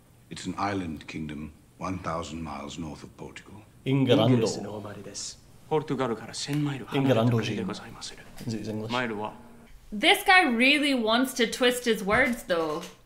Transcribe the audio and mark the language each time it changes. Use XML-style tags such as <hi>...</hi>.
<en>It's an island kingdom 1,000 miles north of Portugal. England.</en> <ja>イギリスの生まれです。ポルトガルから1000マイル離れた国でございまする。</ja> <en>This is English.</en> <ja>マイルは。</ja> <en>This guy really wants to twist his words, though.</en>